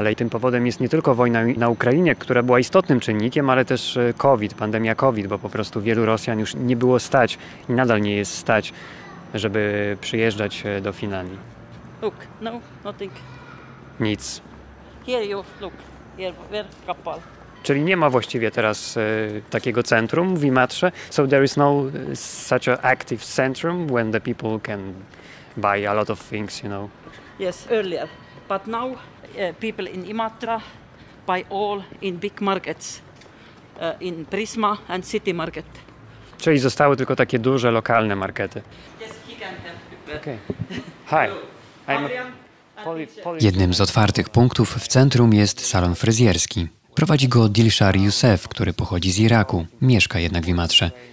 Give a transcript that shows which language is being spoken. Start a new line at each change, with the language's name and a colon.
Polish: Ale i tym powodem jest nie tylko wojna na Ukrainie, która była istotnym czynnikiem, ale też COVID, pandemia COVID, bo po prostu wielu Rosjan już nie było stać i nadal nie jest stać, żeby przyjeżdżać do Finlandii.
English: Look, no, nothing.
Polish: Nic.
English: Here you look, here, kapal.
Polish: Czyli nie ma właściwie teraz takiego centrum w Imatrze.
English: So there is no such an active centrum when the people can buy a lot of things, you know. Yes, earlier. But now people in Imatra buy all in big markets. In Prisma and City Market.
Polish: Czyli zostały tylko takie duże, lokalne markety.
English: Yes, he can help. Okay. Hi. I'm
Polish: Jednym z otwartych punktów w centrum jest salon fryzjerski. Prowadzi go Dilshar Youssef, który pochodzi z Iraku, mieszka jednak w Imatrze.